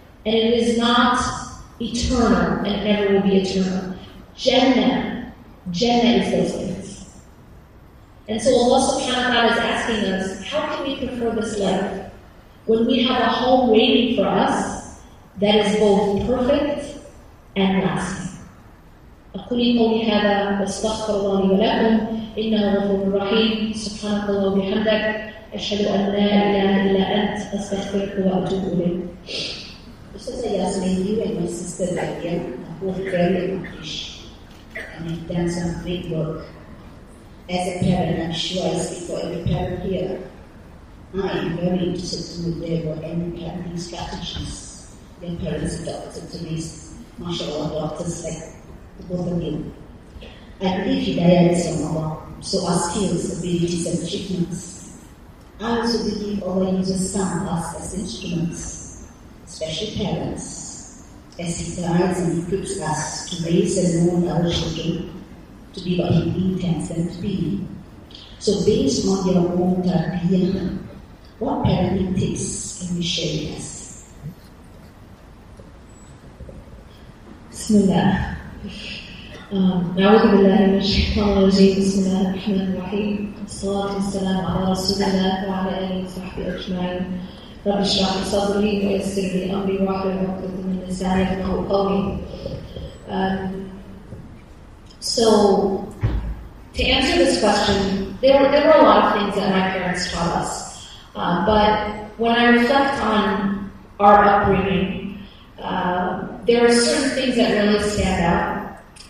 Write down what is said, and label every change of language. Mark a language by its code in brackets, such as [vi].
[en] And it is not eternal, and it never will be eternal. Jannah is those things. And so Allah subhanahu wa ta'ala is asking us, how can we prefer this life when we have a home waiting for us that is both perfect and lasting? [ar] أقول قولي هذا واستغفر الله لي ولكم إنه غفور رحيم سبحانك اللهم وبحمدك أشهد أن لا إله إلا أنت أستغفرك وأتوب إليك. [en] أستاذة ياسمين, you and my sister Lydia are both very accomplished and have done some great work. As a parent, I'm sure I speak for every parent here. I am very interested to know their work and parenting strategies. Their parents adopted to these mashallah doctors like both of you. I believe Hidayah is from Allah, so our skills, abilities, and achievements. I also believe Allah uses some of us as instruments, especially parents, as He guides and equips us to raise and mold our children to be what He intends them to be. So, based on your own tarbiyah, what parenting tips can you share with us? [ar] Bismillah. أعوذ بالله من الشيطان الرجيم. بسم الله الرحمن الرحيم. الصلاة والسلام على رسول الله وعلى آله وصحبه أجمعين. رب اشرح لي صدري ويسر لي أمري واحلل عقدة من لساني يفقهوا قولي. [en] So to answer this question, there were a lot of things that my parents taught us. But when I reflect on our upbringing, there are certain things that really stand out.